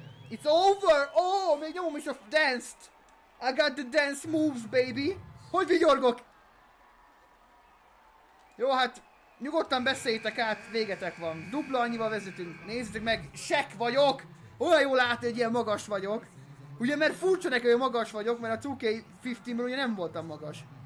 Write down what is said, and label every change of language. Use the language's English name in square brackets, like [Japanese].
[English] It's over! [Hungarian] Oh, még nyomom is a danced! [English] I got the dance moves, baby! [Hungarian] Hogy vigyorgok? Jó, hát nyugodtan beszéljétek át, végetek van. Dupla annyival vezetünk. Nézzétek meg, Shaq vagyok! Olyan jól látni, hogy ilyen magas vagyok. Ugye, mert furcsa nekem, hogy magas vagyok, mert a 2K15-ben ugye nem voltam magas.